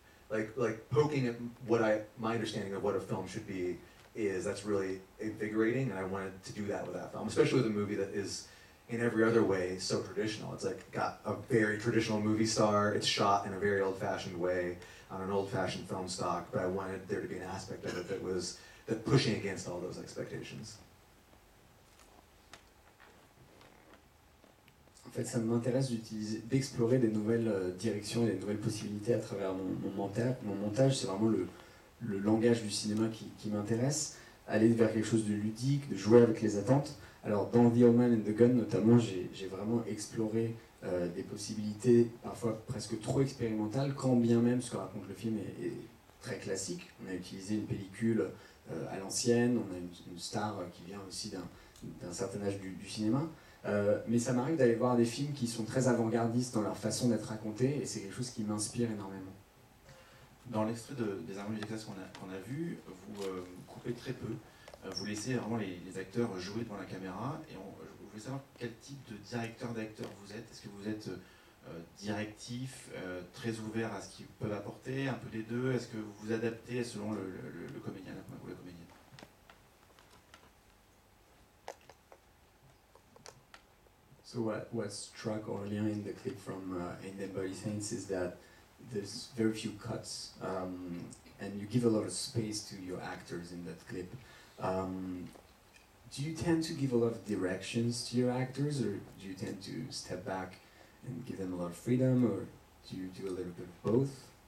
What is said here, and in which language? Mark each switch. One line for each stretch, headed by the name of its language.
English: Like poking at my understanding of what a film should be is, that's really invigorating, and I wanted to do that with that film, especially with a movie that is in every other way so traditional. It's like got a very traditional movie star, it's shot in a very old-fashioned way on an old-fashioned film stock, but I wanted there to be an aspect of it that was pushing against all those expectations.
French: En fait, ça m'intéresse d'explorer des nouvelles directions et des nouvelles possibilités à travers mon montage. C'est vraiment le langage du cinéma qui m'intéresse. Aller vers quelque chose de ludique, de jouer avec les attentes. Alors, dans The Old Man and the Gun, notamment, j'ai vraiment exploré des possibilités parfois presque trop expérimentales, quand bien même ce que raconte le film est très classique. On a utilisé une pellicule à l'ancienne, on a une star qui vient aussi d'un certain âge du cinéma. Mais ça m'arrive d'aller voir des films qui sont très avant-gardistes dans leur façon d'être racontés, et c'est quelque chose qui m'inspire énormément. Dans l'extrait des Amants du Texas qu'on a vu, vous coupez très peu, vous laissez vraiment les acteurs jouer devant la caméra, et je voulais savoir quel type de directeur d'acteurs vous êtes. Est-ce que vous êtes directif, très ouvert à ce qu'ils peuvent apporter, un peu des deux? Est-ce que vous vous adaptez selon le comédien ou la comédienne?
English: So what struck Aurélien in the clip from In the Body Saints is that there's very few cuts, and you give a lot of space to your actors in that clip. Do you tend to give a lot of directions to your actors, or do you tend to step back and give them a lot of freedom, or do you do a little bit of both?